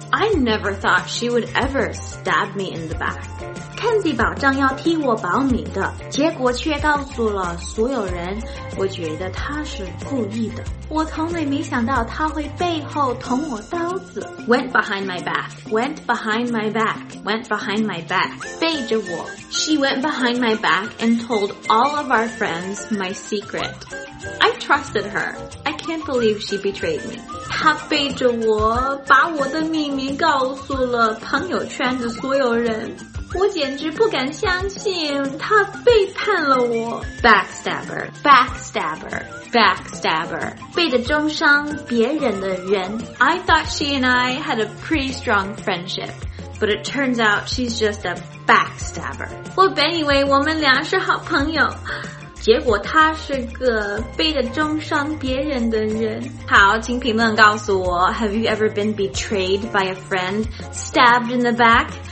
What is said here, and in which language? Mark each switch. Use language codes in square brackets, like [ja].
[en] I never thought she would ever stab me in the back. [zh] Kenzie 保障要替我保你的，结果却告诉了所有人，我觉得她是故意的。我从来没想到她会背后捅我刀子。 [en] Went behind my back. Went behind my back. Went behind my back. [zh] 背着我。 [en] She went behind my back and told all of our friends my secret. I trusted her. I can't believe she betrayed me. [zh] 她背着我把我的秘密告诉了朋友圈的所有人。我简直不敢相信她背叛了我。 [en] Backstabber, backstabber, backstabber. [zh] 背着中伤别人的人。 [en] I thought she and I had a pretty strong friendship, but it turns out she's just a backstabber. [zh] 我本以为我们俩是好朋友，结果他是个背着中伤别人的人。好，请评论告诉我 [en] ，Have you ever been betrayed by a friend, stabbed in the back?